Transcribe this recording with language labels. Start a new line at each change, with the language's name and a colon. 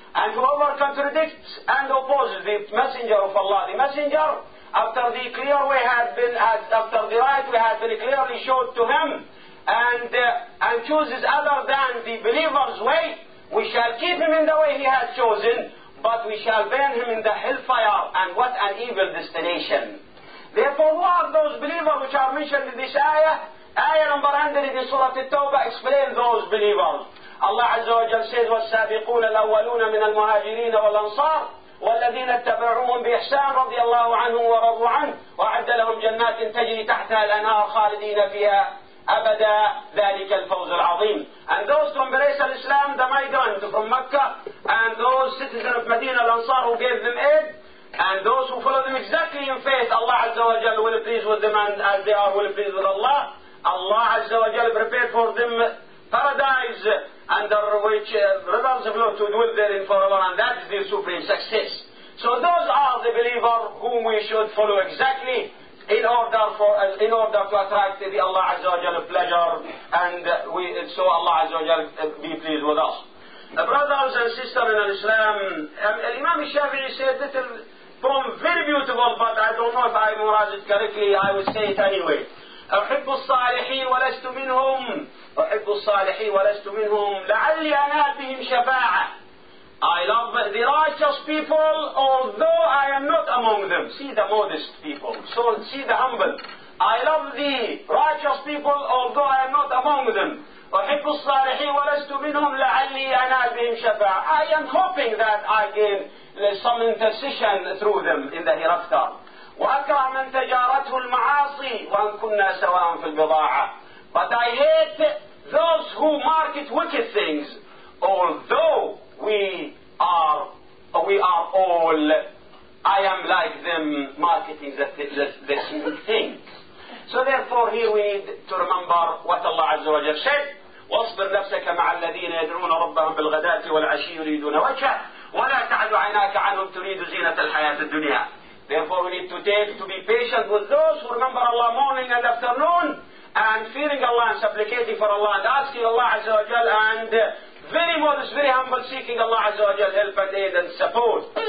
English: And whoever contradicts and opposes the Messenger of Allah, the Messenger, after the clear way had been, after the right way had been clearly showed to him, and chooses other than the believer's way, we shall keep him in the way he has chosen, but we shall burn him in the hellfire, and what an evil destination. Therefore, who are those believers which are mentioned in this ayah? Ayah number 100 in Surah At-Tawbah explains those believers. Allah Azza wa Jalla says,
Arabic: وَالسَّابِقُونَ الْأَوَّلُونَ مِنَ الْمُهَاجِرِينَ وَالْأَنصَارِ وَالَّذِينَ اتَّبَعُوهُمْ بِإِحْسَانٍ رَضِيَ اللَّهُ عَنْهُمْ وَرَضُوا عَنْهُ وَأَعَدَّ لَهُمْ جَنَّاتٍ تَجْرِي تَحْتَهَا الْأَنْهَارُ خَالِدِينَ فِيهَا أَبَدًا ذَلِكَ الْفَوْزُ الْعَظِيمُ.
English: And those who embrace Islam, the Maidan from Mecca, and those citizens of Medina, Al-Ansar, who gave them aid, and those who follow them exactly in faith, Allah Azza wa Jalla will please with them, and as they are, will please with Allah. Allah Azza wa Jalla prepared for them paradise, under which rivers of love to dwell therein forever, and that is the supreme success. So those are the believers whom we should follow exactly in order for in order to attract the Allah Azza wa Jalla pleasure, and we so Allah Azza wa Jalla be pleased with us. Brothers and sisters in Islam, Imam Shafi'i said a little poem, very beautiful, but I don't know if I memorize it correctly. I will say it anyway.
Arabic: أحب الصالحين ولست منهم أحب الصالحين ولست منهم لعلي أنال بهم شفاعة.
English: I love the righteous people although I am not among them. See the modest people, so see the humble. I love the righteous people although I am not among them.
Arabic: أحب الصالحين ولست منهم لعلي أنال بهم شفاعة.
English: I am hoping that I gain some intercession through them in the hereafter.
Arabic: وأكره من تجارته المعاصي وأن كنا سواء في البضاعة.
English: But I hate those who market wicked things, although we are all, I am like them marketing the same things. So therefore here we need to remember what Allah Azza wa Jal said,
Arabic: واصبر نفسك مع الذين يدعون ربهم بالغداة والعشي يريدون وجهه ولا تعد عيناك عنهم تريد زينة الحياة الدنيا.
English: Therefore we need to take to be patient with those who remember Allah morning and afternoon, and fearing Allah and supplicating for Allah and asking Allah Azza wa Jal, and very modest, very humble, seeking Allah Azza wa Jal help and aid and support.